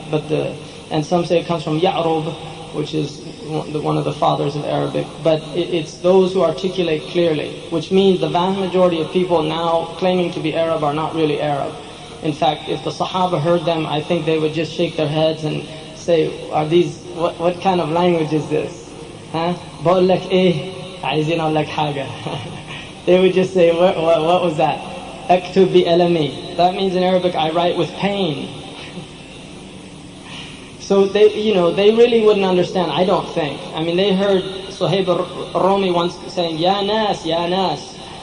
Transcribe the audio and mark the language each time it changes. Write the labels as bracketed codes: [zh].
[en] But the, and some say it comes from ya'rub, which is one of the fathers of Arabic. But it's those who articulate clearly, which means the vast majority of people now claiming to be Arab are not really Arab. In fact, if the Sahaba heard them, I think they would just shake their heads and say, are these, what kind of language is this? Huh? [ar] Eh, عايزين أقول لك حاجة. [en] They would just say, what was that? [ar] Aktub bi alami. [en] That means in Arabic, I write with pain. So they, you know, they really wouldn't understand, I don't think. I mean, they heard Suhaib al-Rumi once saying, Ya Nas, Ya Nas.